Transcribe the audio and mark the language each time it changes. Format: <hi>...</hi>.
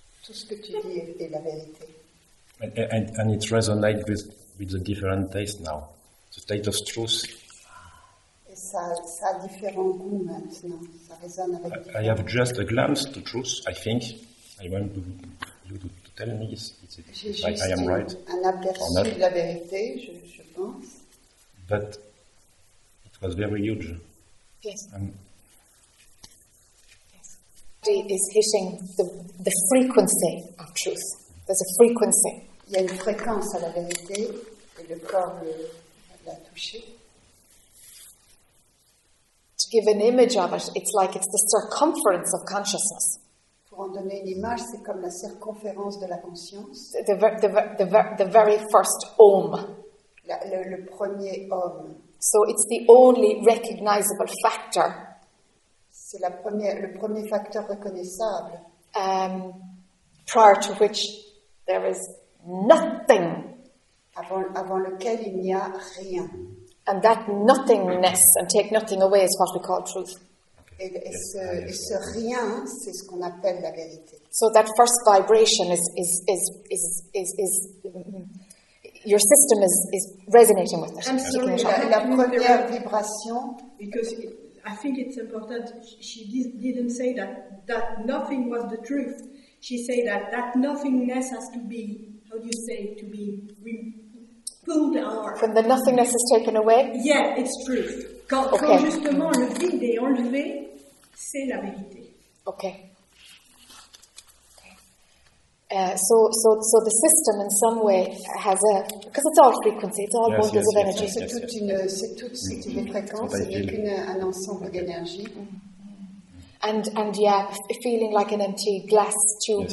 <fr>Tout ce que tu dis est la vérité.</fr> <en>And it resonates with a different taste now. The state of truth.</en> <fr>Et ça a différents goûts maintenant. Ça résonne avec</fr> <en>I have just a glance to truth, I think. I want you to tell me if I am right.</en> <fr>Un aperçu de la vérité, je pense.</fr> <en>But it was very huge. Yes. And body is hitting the frequency of truth. There's a frequency.</en> <fr>Il y a une fréquence à la vérité et le corps l'a touché.</fr> <en>To give an image of it, it's like it's the circumference of consciousness.</en> <fr>Pour en donner une image, c'est comme la circonférence de la conscience.</fr> <en>The very first om.</en> <fr>Le premier om.</fr> <en>So it's the only recognizable factor.</en> <fr>C'est la première, le premier facteur reconnaissable.</fr> <en>Prior to which there is nothing.</en> <fr>Avant lequel il n'y a rien.</fr> <en>And that nothingness, and take nothing away, is what we call truth.</en> <fr>Et ce rien, c'est ce qu'on appelle la vérité.</fr> <en>So that first vibration is your system is resonating with it. Absolutely.</en> <fr>La première vibration,</fr> <en>because I think it's important, she didn't say that nothing was the truth. She said that nothingness has to be, how do you say, to be pulled out. When the nothingness is taken away? Yeah, it's true.</en> <fr>Quand justement le vide est enlevé, c'est la vérité.</fr> <en>Okay. So the system in some way has a, because it's all frequency, it's all bundles of energy.</en> <fr>C'est toute une fréquence, c'est un ensemble d'énergie.</fr> <en>And yeah, feeling like an empty glass tube, yes.</en>